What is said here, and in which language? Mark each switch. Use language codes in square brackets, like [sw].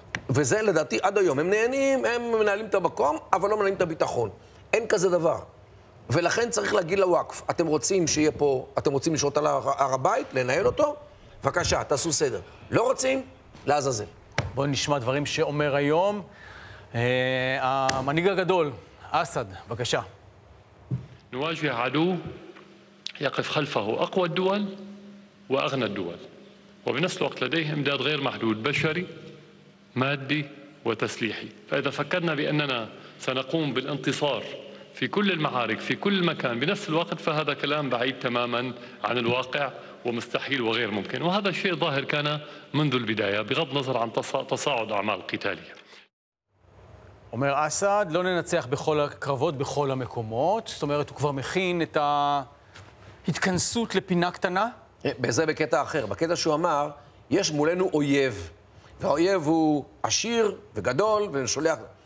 [he] וזה לדעתי עד היום. הם נהנים, הם מנהלים את המקום, אבל לא מנהלים את הביטחון. אין כזה דבר. ולכן צריך להגיד לוואקף, אתם רוצים שיהיה פה, אתם רוצים לשרות על הר הבית, לנהל אותו? בבקשה, תעשו סדר. לא רוצים? לעזאזל. בואו נשמע דברים שאומר היום. המנהיג הגדול, אסד, בבקשה. [ar] نواجه عدو يقف خلفه أقوى الدول وأغنى الدول وبنفس الوقت لديه إمداد غير محدود بشري مادي وتسليحي فإذا فكرنا بأننا سنقوم بالانتصار في كل المعارك في كل مكان بنفس الوقت فهذا كلام بعيد تماما عن الواقع ومستحيل وغير ممكن وهذا الشيء ظاهر كان منذ البداية بغض النظر عن تصاعد أعمال قتالية [he] אומר אסד, לא ננצח בכל הקרבות, בכל המקומות. זאת אומרת, הוא כבר מכין את ההתכנסות לפינה קטנה? בזה בקטע אחר. בקטע שהוא אמר, יש מולנו אויב. והאויב הוא עשיר וגדול ושולח.